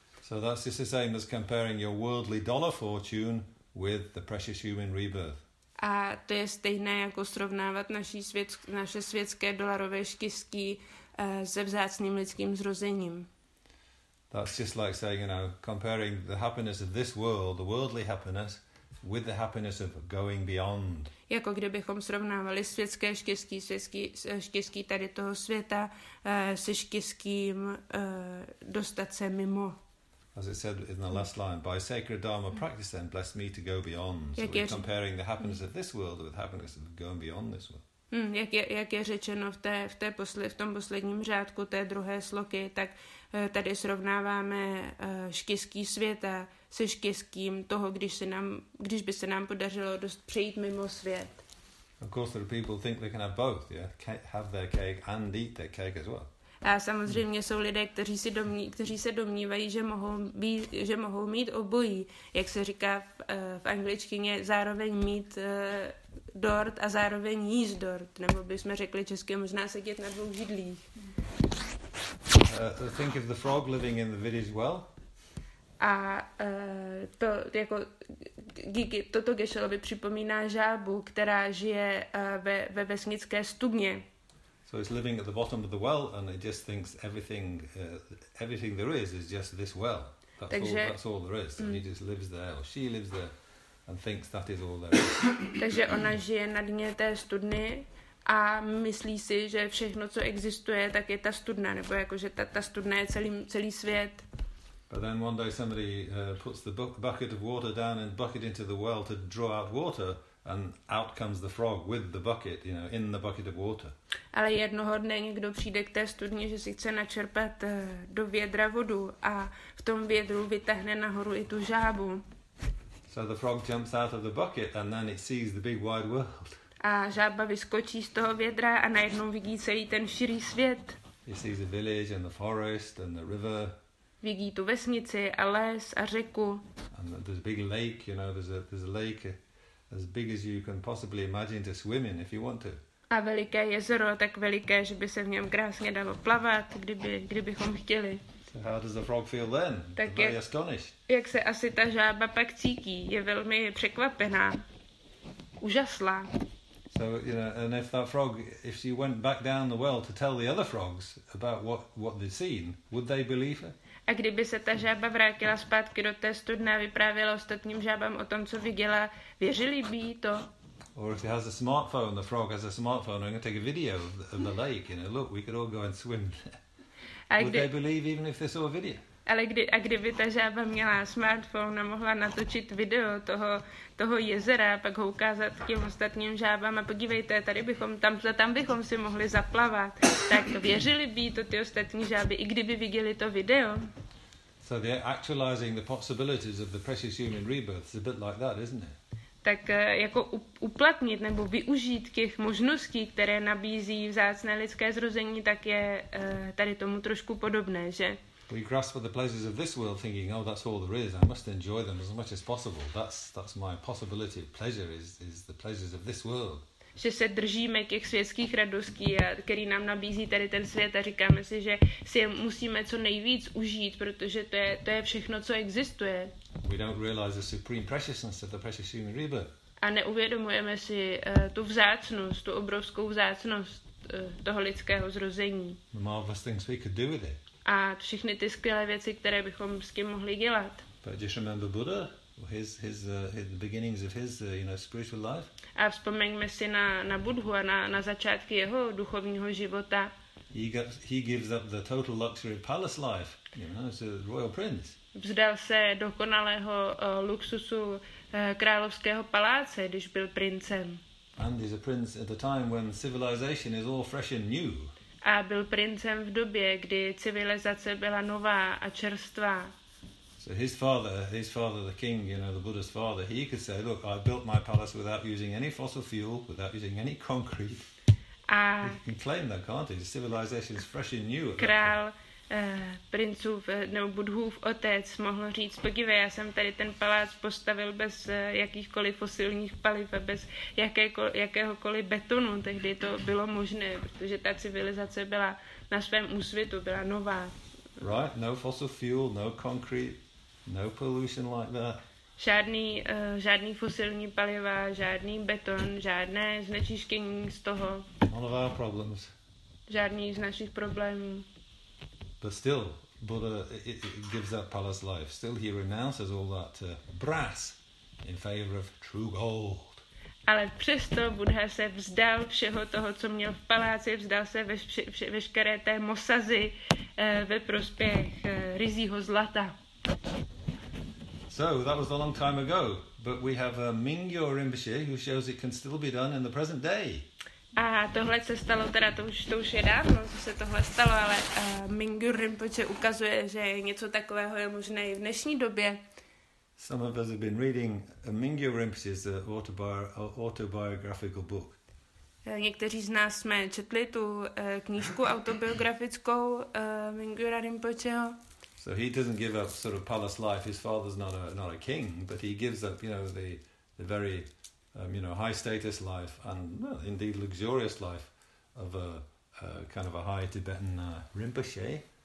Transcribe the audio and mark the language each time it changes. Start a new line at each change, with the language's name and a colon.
English: So that's just the same as comparing your worldly dollar fortune with the precious human rebirth.
Czech: A to je stejné jako srovnávat naše světské dolarové štěstí se vzácným lidským zrozením.
English: That's just like saying, you know, comparing the happiness of this world, the worldly happiness, with the happiness of going beyond.
Czech: Jako kdybychom srovnávali světské štěstí, štěstí tady toho světa se štěstím dostat se mimo.
English: As it said in the last line, by sacred dharma practice then bless me to go beyond. So we're comparing the happiness of this world with the happiness of going beyond this world.
Czech: Jak je řečeno v tom posledním řádku té druhé sloky, tak tady srovnáváme škyský světa se škyským toho, když by se nám podařilo dost přejít mimo svět.
English: Of course, there are people think they can have both, yeah, have their cake and eat their cake as well.
Czech: A samozřejmě jsou lidé, kteří se domnívají, že mohou mít obojí, jak se říká v angličtině, zároveň mít dort a zároveň jíst dort, nebo bychom řekli česky možná sedět na dvou židlích.
English: Think of the frog living in the village well.
Czech: A to jako toto Geshe-lovi připomíná žábu, která žije ve vesnické stubně.
English: So it's living at the bottom of the well and it just thinks everything there is just this well. That's all there is. And he just lives there, or she lives there and thinks that is all there is.
Czech: Takže ona žije na dně té studny a myslí si, že všechno, co existuje, tak je ta studna, nebo jako, že ta studna je celý svět.
English: But then one day somebody puts the bucket of water down and bucket into the well to draw out water. And out comes the frog with the bucket, you know, in the bucket of water.
Czech: Ale jednoho dne někdo přijde k té studni, že si chce načerpat do vědra vodu a v tom vědru vytáhne nahoru i tu žábu.
English: So the frog jumps out of the bucket and then it sees the big wide world.
Czech: A žába vyskočí z toho vědra a najednou vidí celý ten širý svět.
English: It sees the village and the forest and the river.
Czech: Vidí tu vesnici a les a řeku.
English: And there's a big lake, you know, there's a lake. As big as you can possibly imagine to swim in, if you want to.
Czech: A veliké jezero, tak veliké, že by se v něm krásně dalo plavat, kdybychom chtěli.
English: So how does the frog feel then? Tak very astonished.
Czech: Jak se asi ta žába pak cítí? Je velmi překvapená, úžasná.
English: So you know, and if that frog, if she went back down the well to tell the other frogs about what they've seen, would they believe her?
Czech: A kdyby se ta žába vrátila zpátky do té studny a vyprávěla ostatním žábám o tom, co viděla, věřili by jí to?
English: Or if he has a smartphone, the frog has a smartphone, I'm going to take a video of the lake, you know, look, we could all go and swim. Would they believe even if they saw a video?
Czech: A kdyby ta žába měla smartphone a mohla natočit video toho jezera a pak ho ukázat těm ostatním žábám a podívejte, tam bychom si mohli zaplavat, tak věřili by to ty ostatní žáby, i kdyby viděli to video.
English: So they're actualizing the possibilities of the precious human rebirth. It's a bit like that, isn't it?
Czech: Tak jako uplatnit nebo využít těch možností, které nabízí vzácné lidské zrození, tak je tady tomu trošku podobné, že?
English: We grasp for the pleasures of this world, thinking, "Oh, that's all there is. I must enjoy them as much as possible. That's my possibility of pleasure is the pleasures of this world."
Czech: Že se držíme těch světských radostí, které nám nabízí tady ten svět, a říkáme si, že si je musíme co nejvíc užít, protože to je všechno, co existuje.
English: We don't realize the supreme preciousness of the precious human rebirth.
Czech: A neuvědomujeme si tu vzácnost, tu obrovskou vzácnost toho lidského zrození.
English: The marvelous things we could do with it.
Czech: A všechny ty skvělé věci, které bychom s tím mohli dělat.
English: But just remember Buddha, his the beginnings of his you know spiritual life.
Czech: A vzpomeňme si na Buddhu a na začátky jeho duchovního života.
English: He gives up the total luxury of palace life, you know, as a royal prince.
Czech: Vzdal se dokonalého luxusu královského paláce, když byl princem.
English: And he's a prince at a time when civilization is all fresh and new.
Czech: A byl princem v době, kdy civilizace byla nová a čerstvá.
English: So his father, the king, you know, the Buddha's father, he could say, look, I built my palace without using any fossil fuel, without using any concrete.
Czech: A
English: he can claim that, can't he? Civilization is fresh and new.
Czech: Král princův, nebo Buddhův otec mohl říct, podívej, já jsem tady ten palác postavil bez jakýchkoliv fosilních paliv a bez jakéhokoliv betonu. Tehdy to bylo možné, protože ta civilizace byla na svém úsvitu, byla nová.
English: Right, no fossil fuel, no concrete, no pollution like that.
Czech: Žádný fosilní paliva, žádný beton, žádné znečištění z toho.
English: None of our problems.
Czech: Žádný z našich problémů.
English: But still, Buddha gives up palace life. Still, he renounces all that brass in favor of true gold.
Czech: Ale přesto Buddha se vzdal všeho toho, co měl v paláci, vzdal se veškeré té mosazy ve prospěch ryzího zlata.
English: So that was a long time ago, but we have a Mingyo Rinpoche who shows it can still be done in the present day.
Czech: A tohle se stalo teda, to už je dávno, co se tohle stalo, ale Mingyur Rinpoche ukazuje, že něco takového je možné i v dnešní době.
English: Some of us have been reading Mingyur Rinpoche's autobiographical book.
Czech: Někteří z nás jsme četli tu knížku autobiografickou Mingyura Rinpocheho.
English: So he doesn't give up sort of palace life. His father's not a king, but he gives up, you know, the very high status life and indeed luxurious life of a kind of a high Tibetan Rinpoche.